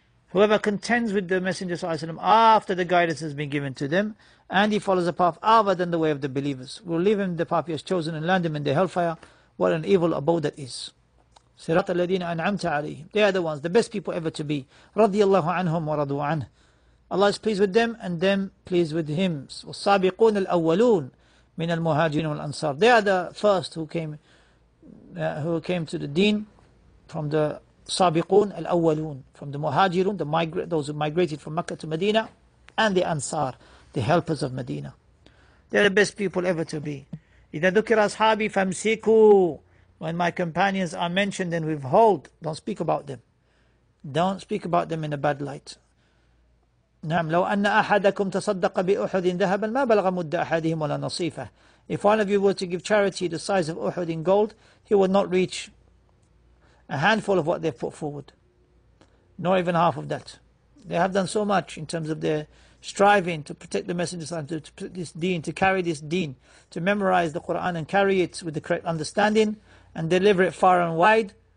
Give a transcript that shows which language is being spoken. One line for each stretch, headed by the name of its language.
English: Whoever contends with the Messenger Sallallahu Alaihi Wasallam after the guidance has been given to them, and he follows a path other than the way of the believers, will leave him the path he has chosen and land him in the hellfire. What an evil abode that is.
Arabic: Sirat al-ladina an'amta alayhim.
English: They are the ones, the best people ever to be.
Arabic: Radiyallahu anhum wa radu anhu.
English: Allah is pleased with them and them pleased with him.
Arabic: والسابقون الأولون من المهاجرين والأنصار.
English: They are the first who came to the deen from the Sabiqun al-awwalun, from the Muhajirun, those who migrated from Makkah to Medina, and the Ansar, the helpers of Medina. They are the best people ever to be.
Arabic: إِذَا ذُكِرَ أَصْحَابِي فَمْسِكُوا.
English: When my companions are mentioned, then withhold. Don't speak about them. Don't speak about them in a bad light.
Arabic: نعم لو أن أحدكم تصدق بأحد ذهبا ما بلغ مد أحدهم ولا نصيفة.
English: If one of you were to give charity the size of Uhud in gold, he would not reach a handful of what they've put forward, nor even half of that. They have done so much in terms of their striving to protect the Messenger, to protect this deen, to carry this deen, to memorize the Quran and carry it with the correct understanding and deliver it far and wide.